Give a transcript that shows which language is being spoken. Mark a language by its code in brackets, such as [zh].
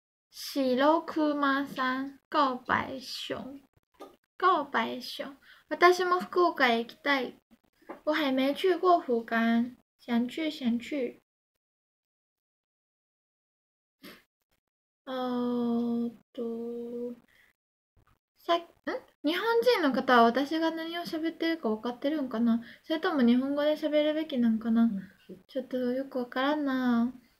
[zh] 喜洛库马山告白熊，告白熊， [ja] 私も福岡へ行きたい。 [zh] 我还没去过福冈，想去想去。 [ja] 日本人の方は私が何を喋ってるか分かってるんかな。それとも日本語で喋るべきなんかな。ちょっとよくわからんな。